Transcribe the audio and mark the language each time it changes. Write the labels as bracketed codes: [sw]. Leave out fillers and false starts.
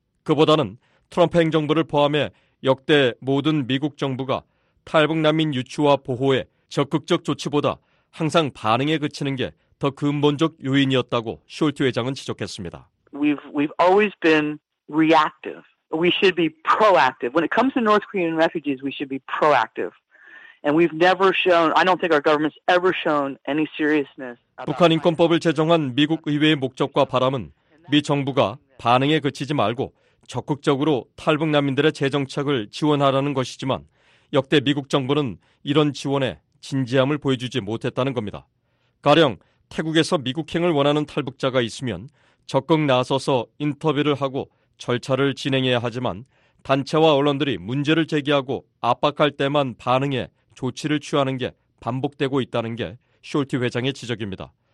[ko] 그보다는 트럼프 행정부를 포함해 역대 모든 미국 정부가 탈북 난민 유치와 보호에 적극적 조치보다 항상 반응에 그치는 게 더 근본적 요인이었다고 숄트 회장은 지적했습니다. [en] We've always been reactive. We should be proactive. When it comes to North Korean refugees, we should be proactive. And we've never shown, I don't think our government's ever shown any seriousness. [ko] 북한 인권법을 제정한 미국 의회의 목적과 바람은 미 정부가 반응에 그치지 말고 적극적으로 탈북 난민들의 재정착을 지원하라는 것이지만 역대 미국 정부는 이런 지원에 진지함을 보여주지 못했다는 겁니다. 가령 태국에서 미국행을 원하는 탈북자가 있으면 적극 나서서 인터뷰를 하고 절차를 진행해야 하지만 단체와 언론들이 문제를 제기하고 압박할 때만 반응해 조치를 취하는 게 반복되고 있다는 게 숄티 회장의 지적입니다.